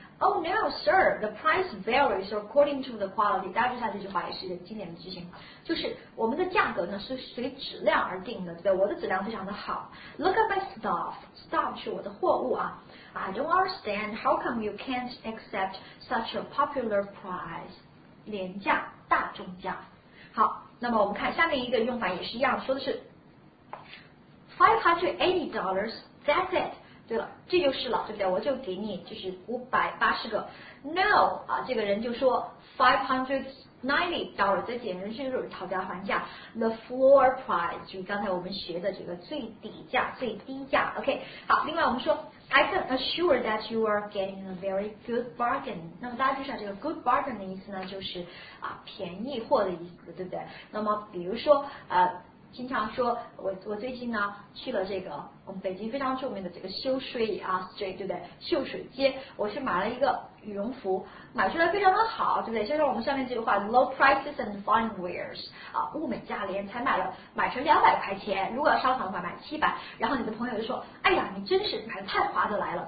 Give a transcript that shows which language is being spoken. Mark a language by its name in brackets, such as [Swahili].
[English] Oh no, sir, the price varies according to the quality。 [Chinese] 大家注意一下这句话，也是一个经典的句型，就是我们的价格呢是随质量而定的，对不对？我的质量非常的好。 [English] Look at my stuff， stuff [Chinese] 是我的货物啊。 [English] I don't understand how come you can't accept such a popular price。 [Chinese] 廉价大众价，好，那么我们看下面一个用法也是一样，说的是 $580， [English] that's it， [Chinese] 对了，这就是了，对不对？我就给你就是580个 ，no 啊，这个人就说 $590， 这简直是就是讨价还价 ， [English] the floor price， [Chinese] 就是刚才我们学的这个最底价、最低价 ，OK， 好，另外我们说。 [English] I can assure that you are getting a very good bargain。 [Chinese] 那么大家注意下，这个 good bargain 的意思呢，就是啊便宜货的意思，对不对？那么比如说经常说我最近呢去了这个我们北京非常著名的这个秀水啊 street， 对不对？秀水街，我去买了一个羽绒服，买出来非常的好，对不对？就像我们上面这句话 [English] low prices and fine wares [Chinese] 啊，物美价廉，才买成200块钱，如果要商场的话买700，然后你的朋友就说，哎呀，你真是买的太划得来了。